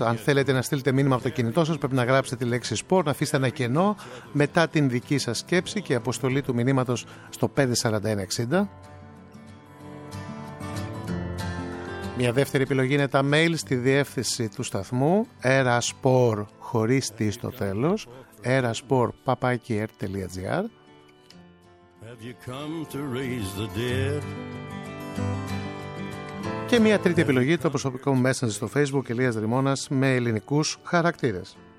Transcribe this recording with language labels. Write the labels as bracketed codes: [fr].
[el] Αν θέλετε να στείλετε μήνυμα από το κινητό σας, πρέπει να γράψετε τη λέξη σπορ, να αφήσετε ένα κενό μετά την δική σας σκέψη και αποστολή του μηνύματος στο 54160. Μια δεύτερη επιλογή είναι τα mail στη διεύθυνση του σταθμού erasπορ χωρίς τι στο τέλος erasπορ@papakier.gr. [en] Have you come to raise the dead? [el] Και μια τρίτη επιλογή, το προσωπικό μου messenger στο Facebook, Ηλίας Δρυμώνας, με ελληνικούς χαρακτήρες.